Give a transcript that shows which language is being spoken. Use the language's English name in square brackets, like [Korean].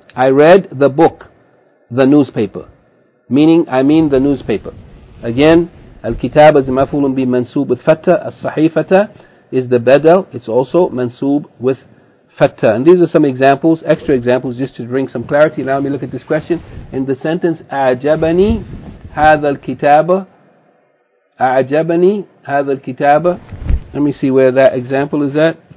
[English] I read the book, the newspaper. Meaning, I mean the newspaper. Again, al-kitaba is maf'ulun bi mansub with fatah. As-sahifata is the badal. It's also mansub with fatta. And these are some examples, extra examples, just to bring some clarity. Now let me look at this question. In the sentence, [Arabic] a'jabani هذا الكتاب أعجبني هذا الكتاب. [English] Let me see where that example is at.